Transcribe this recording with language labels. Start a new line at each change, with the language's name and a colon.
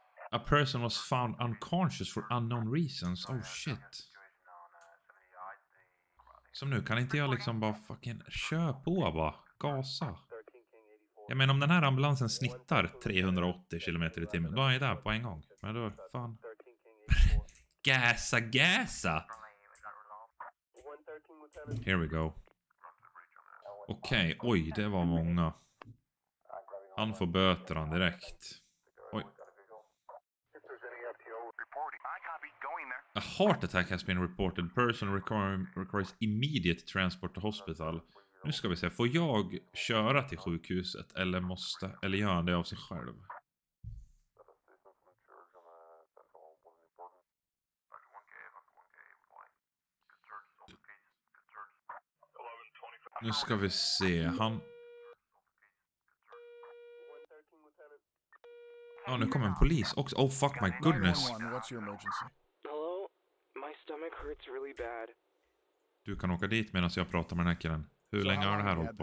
English: A person was found unconscious for unknown reasons. Oh shit.
Swedish: Som nu, kan inte jag liksom bara fucking kör på bara. Gasa. Jag menar, om den här ambulansen snittar 380 km i timmen, då är jag där på en gång. Men då, fan. Gasa.
English: Here we go.
Swedish: Okej, oj, det var många. Han får böter han direkt. Oj.
English: A heart attack has been reported. Person requires immediate transport to hospital.
Swedish: Nu ska vi se, får jag köra till sjukhuset eller måste, eller gör han det av sig själv? Nu ska vi se, han... Ja, nu kommer en polis också.
English: Oh, fuck my goodness. Hello? My stomach hurts really bad.
Swedish: Du kan åka dit medan jag pratar med den här killen. Hur länge har det här hållit på?